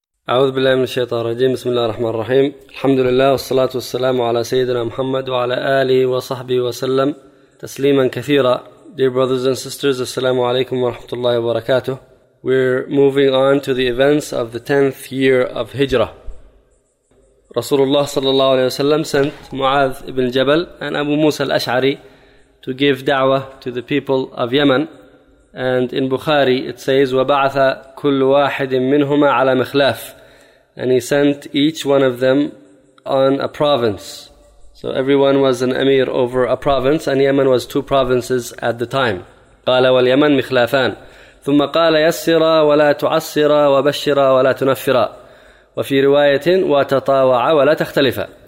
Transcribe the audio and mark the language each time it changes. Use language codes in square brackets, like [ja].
[ar] أعوذ بالله من الشيطان الرجيم. بسم الله الرحمن الرحيم. الحمد لله والصلاة والسلام على سيدنا محمد وعلى آله وصحبه وسلم تسليما كثيرا. [en] Dear brothers and sisters, assalamu alaikum wa rahmatullahi wa barakatuh. We're moving on to the events of the 10th year of Hijrah. Rasulullah sallallahu alayhi wa sallam sent Mu'adh ibn Jabal and Abu Musa al-Ash'ari to give da'wah to the people of Yemen. And in Bukhari it says, [ar] وَبَعَثَ كُلُّ وَاحِدٍ مِّنْهُمَا عَلَى مِخْلَافٍ. [en] And he sent each one of them on a province. So everyone was an emir over a province, and Yemen was two provinces at the time. [ar] قَالَ وَالْيَمَنْ مِخْلَافَانٍ ثُمَّ قَالَ يَسِّرَا وَلَا تُعَسِّرَا وَبَشِّرَا وَلَا تُنَفِّرَا وَفِي رِوَايَةٍ وَتَطَاوَعَ وَلَا تَخْتَلِفَ.